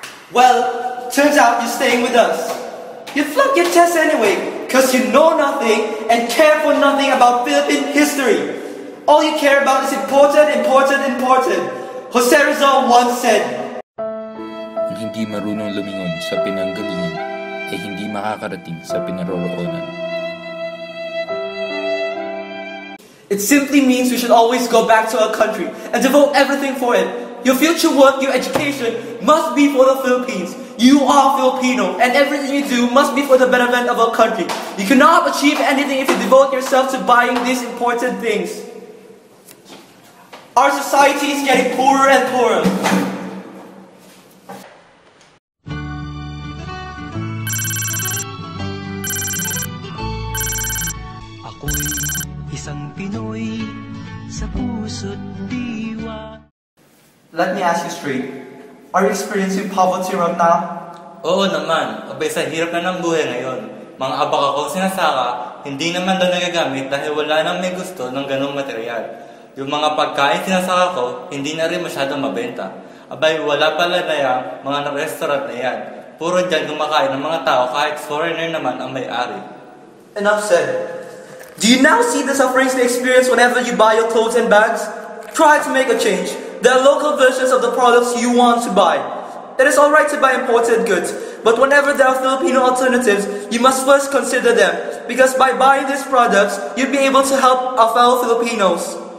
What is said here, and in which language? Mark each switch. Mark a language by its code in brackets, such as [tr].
[en] Well, turns out you're staying with us. You flunked your test anyway, because you know nothing and care for nothing about Philippine history. All you care about is important, important, important. Jose Rizal once said, [tl] hindi marunong lumingon sa pinanggalingan ay hindi makakarating sa pinaroroonan. [en] It simply means we should always go back to our country and devote everything for it. Your future work, your education must be for the Philippines. You are Filipino and everything you do must be for the betterment of our country. You cannot achieve anything if you devote yourself to buying these important things. Our society is getting poorer and poorer. Let me ask you straight. Are you experiencing poverty right now? [tl] Oo naman. Abay, sa hirap na ng buhay ngayon. Mga abaka kong sinasaka, hindi naman daw nagagamit dahil wala nang may gusto ng ganong material. Yung mga pagkain sinasaka ko, hindi na rin masyadong mabenta. Abay, wala pala na yan mga restaurant na yan. Puro dyan gumakain ng mga tao kahit foreigner naman ang may-ari. [en] Enough said. Do you now see the sufferings they experience whenever you buy your clothes and bags? Try to make a change. There are local versions of the products you want to buy. It is alright to buy imported goods, but whenever there are Filipino alternatives, you must first consider them. Because by buying these products, you'd be able to help our fellow Filipinos.